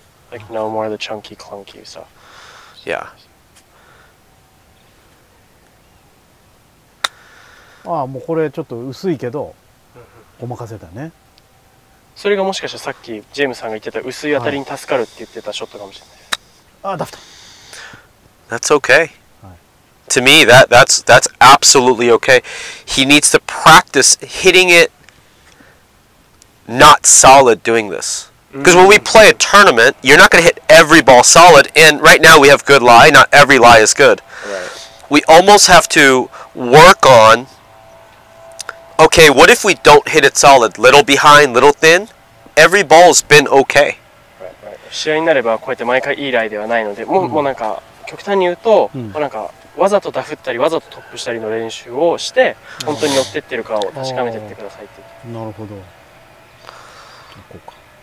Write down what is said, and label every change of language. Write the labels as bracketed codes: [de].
[en] Like no more the chunky clunky stuff. Yeah. [ja] ああもうこれちょっと薄いけどごまかせたね。それがもしかしたらさっきジェームさんが言ってた薄い当たりに助かるって言ってたショットかもしれない。はい、ああダフト。 [en] That's okay.、はい、to me that's absolutely okay. He needs to practice hitting it not solid doing this. Because when we play a tournament, you're not going to hit every ball solid. And right now we have good lie. Not every lie is good.、 Right. We almost have to work on. Okay, what if we don't hit it solid? Little behind, little thin? Every ball's been okay. Right. [ja] 試合になればこうやって毎回いいライではないので、うん、もうなんか極端に言うと、うん、もうなんかわざとダフったりわざとトップしたりの練習をして、うん、本当に寄ってってるかを確かめてってくださいって。なるほど。行こうか。